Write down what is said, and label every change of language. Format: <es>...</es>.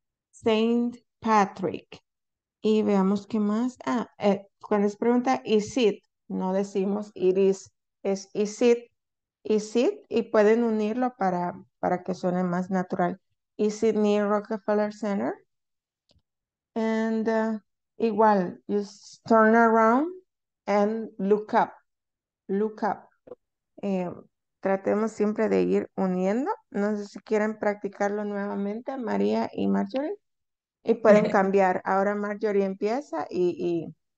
<es>Saint Patrick. Y veamos qué más. Cuando se pregunta,</es> <en>is it?</en> <es>No decimos</es> <en>it is. Is it? Is it,</en> <es>y pueden unirlo para que suene más natural.</es> <en>Is it near Rockefeller Center? And igual, just turn around and look up. Look up.</en> <es>Tratemos siempre de ir uniendo. No sé si quieren practicarlo nuevamente, María y Marjorie. Y pueden cambiar. Ahora Marjorie empieza y</es>